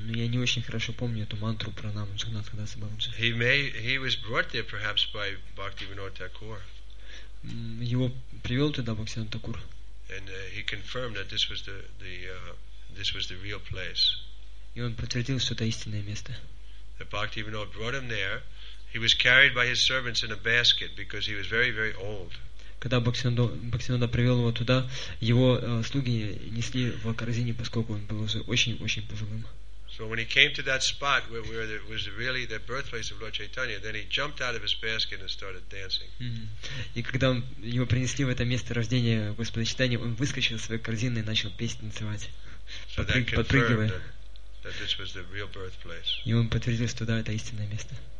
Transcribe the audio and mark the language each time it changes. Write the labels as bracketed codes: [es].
[ru] Я не очень хорошо помню эту мантру пранам Джагнатха Даса Бабаджи. [en] He was brought there perhaps by Bhaktivinoda Thakur. [ru] Его привел туда Бхактивинода Такур. [en] And he confirmed that this was the real place. [ru] И он подтвердил, что это истинное место. [en] Bhaktivinoda brought him there. He was carried by his servants in a basket because he was very, very old. [ru] Когда Бхактивинода привел его туда, его слуги несли в корзине, поскольку он был уже очень, очень пожилым. [en] So when he came to that spot where we were, it was really the birthplace of Lord Chaitanya, then he jumped out of his basket and started dancing. [ru] И когда его принесли в это место рождения Господа Чайтаньи, он выскочил из своей корзины и начал петь, танцевать, подпрыгивая. [en] That this was the real birthplace. [ru] И он подтвердил, что да, это истинное место.